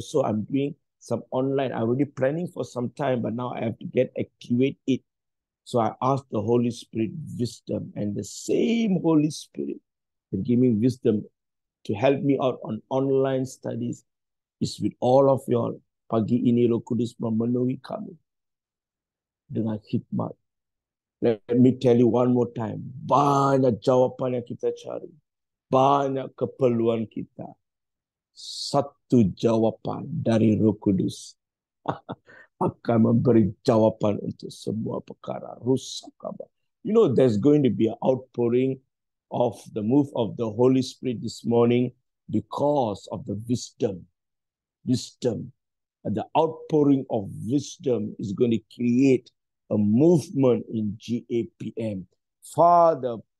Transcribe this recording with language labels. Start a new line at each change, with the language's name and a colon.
English: So I'm doing some online. I'm already planning for some time, but now I have to get activate it. So I ask the Holy Spirit wisdom. And the same Holy Spirit that gave me wisdom to help me out on online studies is with all of y'all.
Malay: Pagi ini Roh Kudus memenuhi kami dengan hikmat.
English: Let me tell you one more time.
Malay: Banyak jawapan yang kita cari. Banyak keperluan kita. Satu jawapan dari Roh Kudus akan memberi jawapan untuk semua perkara. Rusak.
English: You know, there's going to be an outpouring of the move of the Holy Spirit this morning because of the wisdom. Wisdom. And the outpouring of wisdom is going to create a movement in GAPM. Father,